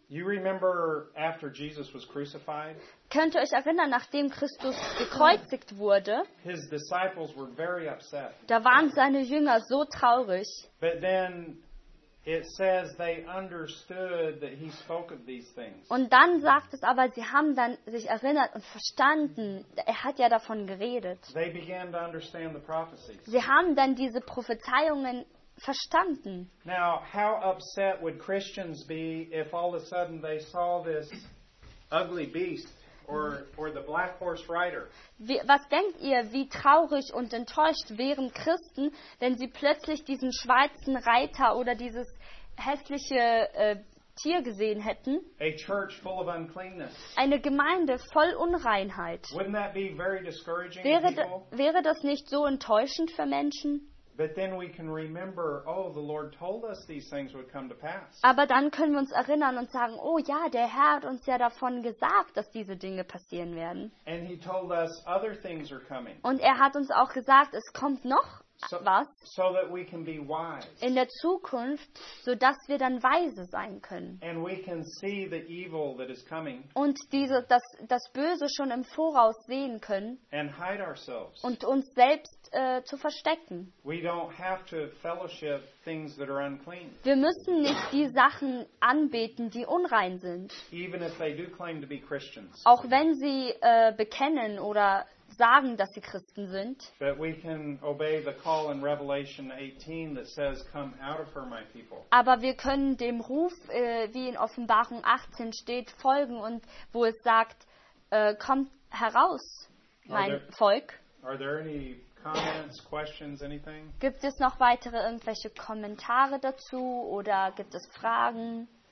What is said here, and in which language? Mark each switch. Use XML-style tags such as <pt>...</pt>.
<en>You remember after Jesus was crucified?</en> <de>Könnt ihr euch erinnern, nachdem Christus gekreuzigt wurde?</de> <en>His disciples were very upset.</en> <de>Da waren seine Jünger so traurig.</de> <en>But then it says they understood that he spoke of these things.</en> <de>Und dann sagt es aber, sie haben dann sich erinnert und verstanden, er hat ja davon geredet.</de> <en>They began to understand the prophecies.</en> <de>Sie haben dann diese Prophezeiungen verstanden.</de> <en>Now, how upset would Christians be if all of a sudden they saw this ugly beast or the black horse rider?</en> <de>Was denkt ihr, wie traurig und enttäuscht wären Christen, wenn sie plötzlich diesen schwarzen Reiter oder dieses hässliche Tier gesehen hätten?</de> <en>A church full of uncleanness.</en> <de>Eine Gemeinde voll Unreinheit.</de> <en>Wouldn't that be very discouraging?</en> <de>Wäre das nicht so enttäuschend für Menschen?</de> <en>But then we can remember, oh, the Lord told us these things would come to pass.</en> <de>Aber dann können wir uns erinnern und sagen, oh ja, der Herr hat uns ja davon gesagt, dass diese Dinge passieren werden.</de> <en>And he told us other things are coming.</en> <de>Und er hat uns auch gesagt, es kommt noch was.</de> <en>So that we can be wise.</en> <de>In der Zukunft, so dass wir dann weise sein können.</de> <en>And we can see the evil that is coming.</en> <de>Und das Böse schon im Voraus sehen können.</de> <en>And hide ourselves.</en> <de>Und uns selbst zu verstecken.</de> <en>We don't have to fellowship things that are unclean.</en> <de>Wir müssen nicht die Sachen anbeten, die unrein sind.</de> <en>Even if they do claim to be Christians.</en> <de>Auch wenn sie bekennen oder sagen, dass sie Christen sind.</de> <en>But we can obey the call in Revelation 18 that says, "Come out of her, my people."</en> <de>Aber wir können dem Ruf, wie in Offenbarung 18 steht, folgen und wo es sagt, kommt heraus, mein Volk.</de> <en>Are there any comments, questions, anything?</en> <de>Gibt es noch weitere irgendwelche Kommentare dazu oder gibt es Fragen?</de>